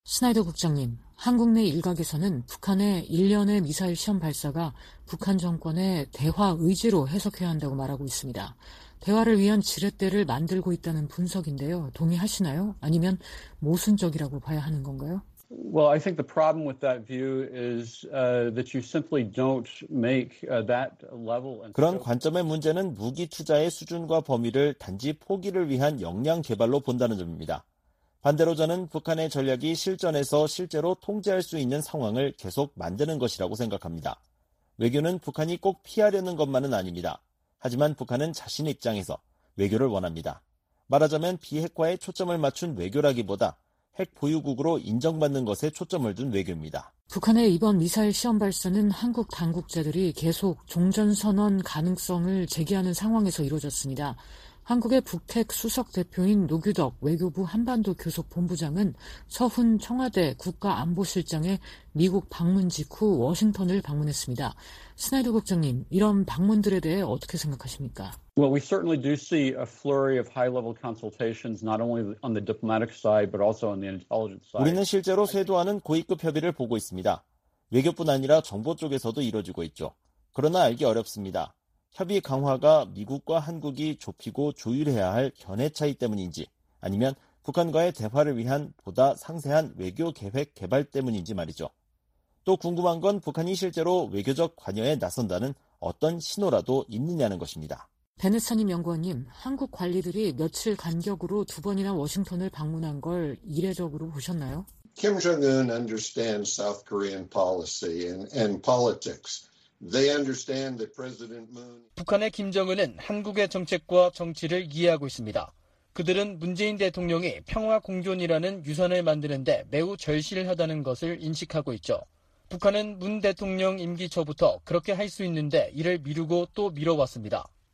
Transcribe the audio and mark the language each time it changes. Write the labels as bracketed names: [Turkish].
[Korean] 스나이더 국장님, 한국 내 일각에서는 북한의 일련의 미사일 시험 발사가 북한 정권의 대화 의지로 해석해야 한다고 말하고 있습니다. 대화를 위한 지렛대를 만들고 있다는 분석인데요. 동의하시나요? 아니면 모순적이라고 봐야 하는 건가요? [English] Well, I think the problem with that view is that you simply don't make that level. [Korean] 그런 관점의 문제는 무기 투자의 수준과 범위를 단지 포기를 위한 역량 개발로 본다는 점입니다. 반대로 저는 북한의 전략이 실전에서 실제로 통제할 수 있는 상황을 계속 만드는 것이라고 생각합니다. 외교는 북한이 꼭 피하려는 것만은 아닙니다. 하지만 북한은 자신 입장에서 외교를 원합니다. 말하자면 비핵화에 초점을 맞춘 외교라기보다 핵 보유국으로 인정받는 것에 초점을 둔 외교입니다. 북한의 이번 미사일 시험 발사는 한국 당국자들이 계속 종전선언 가능성을 제기하는 상황에서 이루어졌습니다. 한국의 북핵 수석 대표인 노규덕 외교부 한반도 교섭 본부장은 서훈 청와대 국가안보실장의 미국 방문 직후 워싱턴을 방문했습니다. 스나이더 국장님, 이런 방문들에 대해 어떻게 생각하십니까? [English] Well, we certainly do see a flurry of high-level consultations not only on the diplomatic side but also on the intelligence side. [Korean] 우리는 실제로 쇄도하는 고위급 협의를 보고 있습니다. 외교뿐 아니라 정보 쪽에서도 이루어지고 있죠. 그러나 알기 어렵습니다. 협의 강화가 미국과 한국이 좁히고 조율해야 할 견해 차이 때문인지 아니면 북한과의 대화를 위한 보다 상세한 외교 계획 개발 때문인지 말이죠. 또 궁금한 건 북한이 실제로 외교적 관여에 나선다는 어떤 신호라도 있느냐는 것입니다. 베네스님 연구원님, 한국 관리들이 며칠 간격으로 두 번이나 워싱턴을 방문한 걸 이례적으로 보셨나요? [English] Kim Jong-un understands South Korean policy and politics. They understand that President Moon. [Korean] 북한의 김정은은 한국의 정책과 정치를 이해하고 있습니다. 그들은 문재인 대통령이 평화 공존이라는 유선을 만드는데 매우 절실하다는 것을 인식하고 있죠. 북한은 문 대통령 임기 초부터 그렇게 할 수 있는데 이를 미루고 또 미뤄왔습니다.